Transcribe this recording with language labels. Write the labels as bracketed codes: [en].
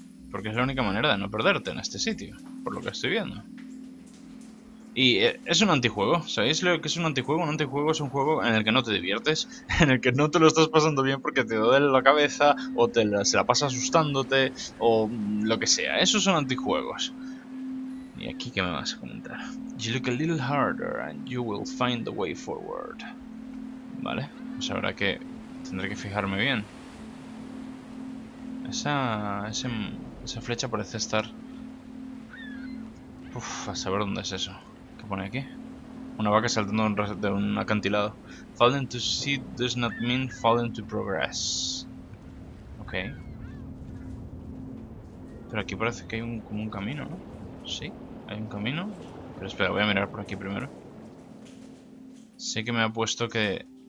[es] Porque es la única manera de no perderte en este sitio, por lo que estoy viendo. Y es un antijuego, ¿sabéis lo que es un antijuego? Un antijuego es un juego en el que no te diviertes, en el que no te lo estás pasando bien porque te duele la cabeza, o se la pasa asustándote, o lo que sea. Esos son antijuegos. ¿Y aquí qué me vas a comentar? [en] You look a little harder and you will find the way forward. [es] Vale, pues habrá que. Tendré que fijarme bien. Esa flecha parece estar. Uf, a saber dónde es eso. ¿Qué pone aquí? Una vaca saltando de un acantilado. [en] Falling to sea does not mean falling to progress. Ok. [es] Pero aquí parece que hay como un camino, ¿no? Sí, hay un camino. Pero espera, voy a mirar por aquí primero. Sé que me ha puesto que.